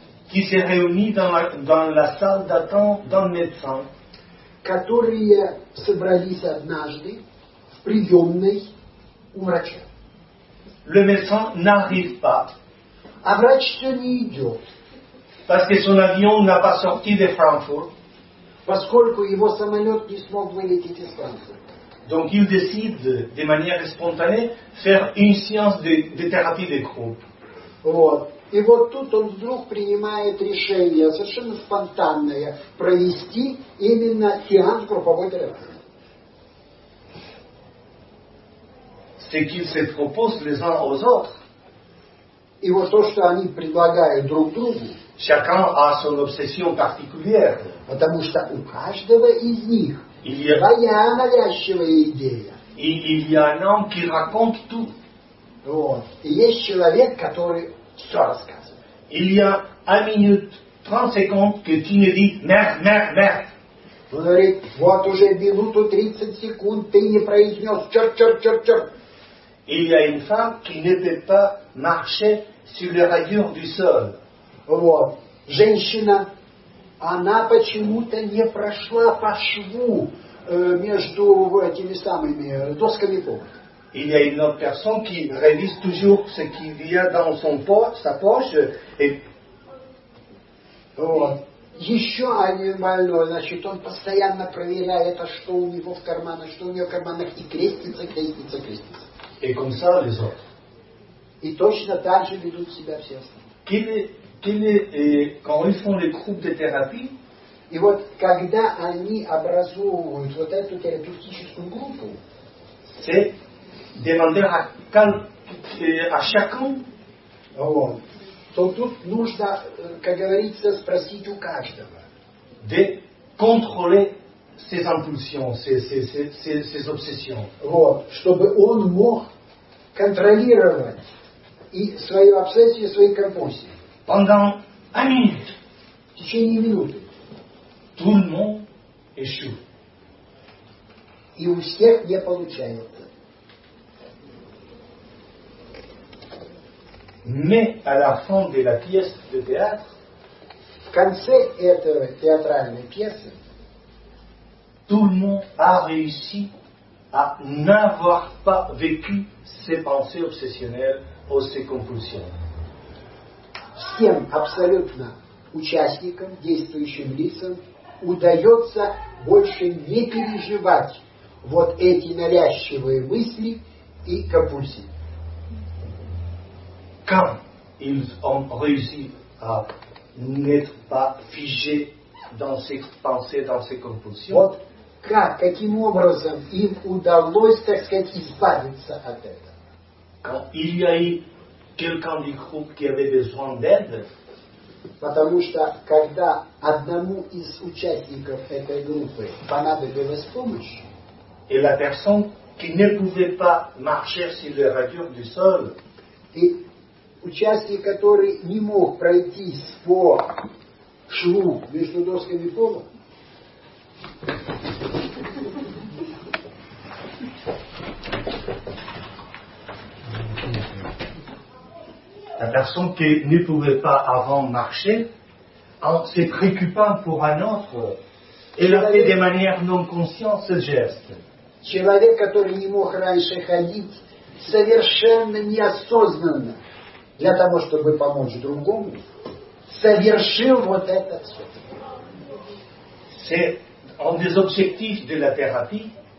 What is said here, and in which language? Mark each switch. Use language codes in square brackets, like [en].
[fr] qui se réunit dans la salle d'attente d'un médecin, [ru] которые собрались однажды в приемной у врача. [fr] Le médecin n'arrive pas. [ru] А врач-то не идет. [fr] Parce que son avion n'a pas sorti de Frankfurt. [ru] Поскольку его самолет не смог вылететь из Франции. [fr] Donc il décide de manière spontanée faire une séance de thérapie de groupe. [ru] Вот. И вот тут он вдруг принимает решение совершенно спонтанное провести именно сеанс групповой терапии. [fr] Ce qu'ils se proposent les uns aux autres. [ru] И вот то, что они предлагают друг другу. [fr] Chacun a son obsession particulière. [ru] Потому что у каждого из них своя навязчивая идея. [fr] Il y a un homme qui raconte tout. [ru] Вот. И есть человек, который все рассказывает. [fr] Il y a un minute, 30 secondes que tu ne dis [ru] «мер, мер, мер». Он говорит, вот уже минуту 30 секунд ты не произнес «чер, чер, чер, чер». [fr] Il y a une femme qui ne peut pas marcher sur les rayures du sol. [ru] Вот. Женщина, она почему-то не прошла по шву между этими самыми досками пола. [fr] Il y a une autre personne qui révise toujours ce qu'il y a dans son poche, sa poche. Et... [ru] Вот. Еще один больной, значит, он постоянно проверяет, что у него в карманах, что у него в карманах, и крестится, крестится, крестится. [fr] Et comme ça, les autres. [ru] И точно так же ведут себя все остальные. [fr] Quand ils font les groupes de thérapie, et [ru] вот когда они образуют вот эту терапевтическую группу, [fr] c'est demander à chacun. [ru] Вот. То тут нужно, как говорится, спросить у каждого. [fr] De contrôler ses impulsions, ses obsessions. [ru] Вот. Чтобы он мог контролировать и свою обсессию, и свои компульсии. [fr] Pendant une minute, [ru] в течение минуты, [fr] tout le monde échoue. [ru] И у всех не получается. [fr] Mais à la fin de la pièce de théâtre, [ru] в конце этой театральной пьесы, [fr] tout le monde a réussi à n'avoir pas vécu ses pensées obsessionnelles ou ses compulsions. [ru] Всем абсолютно участникам, действующим лицам, удается больше не переживать вот эти навязчивые мысли и компульсии. [fr] Quand ils ont réussi à n'être pas figés dans ses pensées, dans ses compulsions, [ru] вот к как, каким образом им удалось, так сказать, избавиться от этого? [fr] Il y a quelqu'un du groupe qui avait besoin d'aide. [ru] Потому что когда одному из участников этой группы понадобилась помощь, [fr] et la personne qui ne pouvait pas marcher sur les radios du sol, [ru] и участник, который не мог пройти по шву между досками пола, [fr] la personne qui ne pouvait pas avant marcher, en se préoccupant pour un autre, elle a fait de manière non consciente ce geste. [ru] Человек, который не мог раньше ходить, совершенно неосознанно для того, чтобы помочь другому, совершил вот это все. [fr] C'est un des objectifs de la thérapie.